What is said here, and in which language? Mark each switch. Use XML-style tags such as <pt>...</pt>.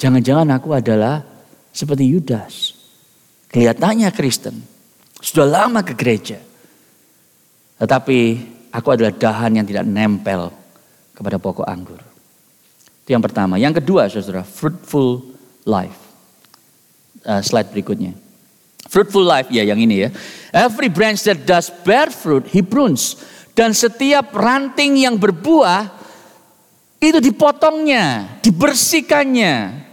<id>Jangan-jangan aku adalah seperti Yudas. Kelihatannya Kristen, sudah lama ke gereja. Tetapi aku adalah dahan yang tidak nempel kepada pokok anggur. Itu yang pertama. Yang kedua, saudara, fruitful life. Slide berikutnya. Fruitful life, ya yang ini ya.</id> <en>Every branch that does bear fruit, he prunes.</en> <id>Dan setiap ranting yang berbuah, itu dipotongnya, dibersihkannya.</id>